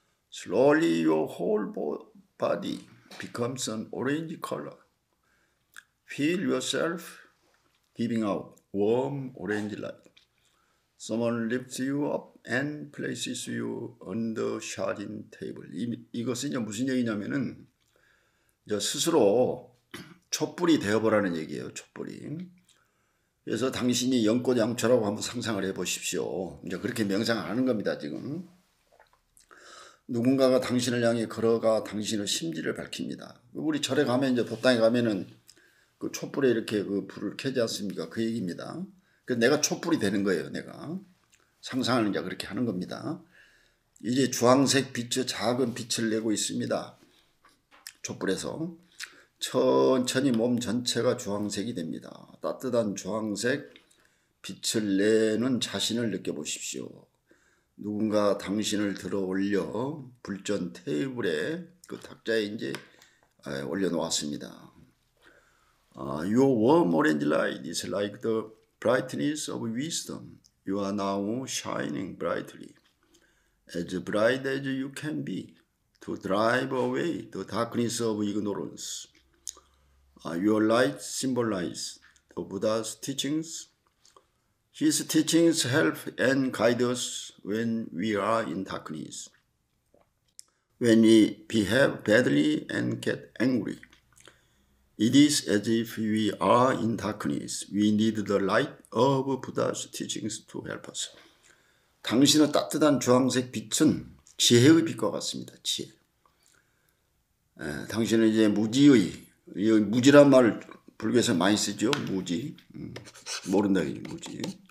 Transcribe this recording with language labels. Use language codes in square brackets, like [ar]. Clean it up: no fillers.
[en] Slowly, your whole body becomes an orange color. Feel yourself giving out warm orange light. Someone lifts you up and places you on the sharing table. [ko] 이것은 이제 무슨 얘기냐면은 이제 스스로 촛불이 되어보라는 얘기예요. 촛불이. 그래서 당신이 연꽃양처라고 한번 상상을 해보십시오. 이제 그렇게 명상을 하는 겁니다. 지금 누군가가 당신을 향해 걸어가 당신의 심지를 밝힙니다. 우리 절에 가면 이제 법당에 가면은 그 촛불에 이렇게 그 불을 켜지 않습니까? 그 얘기입니다. 내가 촛불이 되는 거예요, 내가. 상상하는 자, 그렇게 하는 겁니다. 이제 주황색 빛의 작은 빛을 내고 있습니다. 촛불에서. 천천히 몸 전체가 주황색이 됩니다. 따뜻한 주황색 빛을 내는 자신을 느껴보십시오. 누군가 당신을 들어 올려 불전 테이블에 그 탁자에 이제 올려놓았습니다. [en] Your warm orange light is like the brightness of wisdom. You are now shining brightly, as bright as you can be, to drive away the darkness of ignorance. Your light symbolizes the Buddha's teachings. His teachings help and guide us when we are in darkness, when we behave badly and get angry. It is as if we are in darkness. We need the light of Buddha's teachings to help us. [ko] 당신의 따뜻한 주황색 빛은 지혜의 빛과 같습니다. 지혜. 당신은 이제 무지의, 무지란 말 불교에서 많이 쓰죠. 무지. 모른다, 무지.